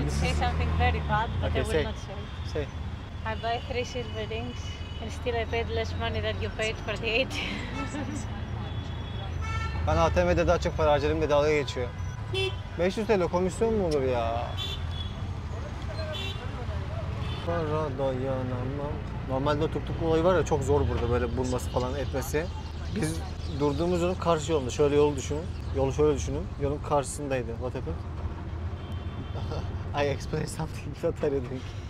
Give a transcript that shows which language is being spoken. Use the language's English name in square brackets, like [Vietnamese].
[English] I want to say something very bad, but okay, I will not say. Say. I buy 3 silver rings and still I paid less money than you paid for the 8. [Turkish] Ben ATM'de daha çok para harcadım ve dalga geçiyor. 500 TL komisyon mu olur ya? Para dayanamam. Normalde tuk olayı var ya, çok zor burada böyle bulması falan etmesi. Biz durduğumuz yolun karşı yolunda. Şöyle yolu düşünün. Yolu şöyle düşünün. Yolun karşısındaydı. [English] What happened? I explained something that I didn't.